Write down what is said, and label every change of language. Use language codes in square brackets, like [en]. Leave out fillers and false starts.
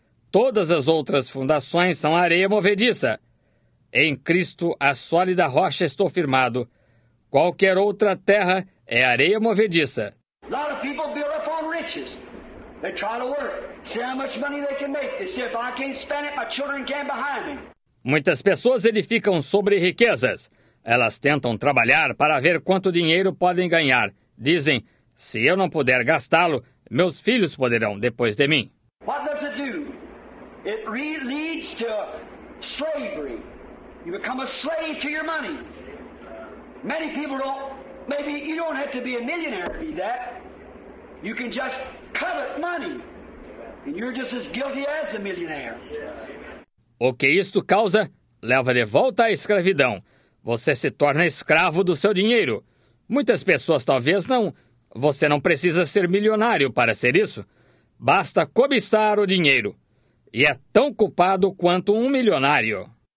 [pt] Todas as outras fundações são areia movediça. Em Cristo, a sólida rocha estou firmado. Qualquer outra terra é areia movediça. [en] A lot of people build up on riches. They try to work. See how much money they can make. They say, if I can't spend it, my children can't behind me. [pt] Muitas pessoas edificam sobre riquezas. Elas tentam trabalhar para ver quanto dinheiro podem ganhar. Dizem, se eu não puder gastá-lo, meus filhos poderão depois de mim. [en] What does it do? It leads to slavery. You become a slave to your money. Many people don't. Maybe you don't have to be a millionaire to be that. You can just covet money. And you're just as guilty as a millionaire. Yeah. [pt] O que isto causa? Leva de volta à escravidão. Você se torna escravo do seu dinheiro. Muitas pessoas talvez não. Você não precisa ser milionário para ser isso. Basta cobiçar o dinheiro. E é tão culpado quanto um milionário.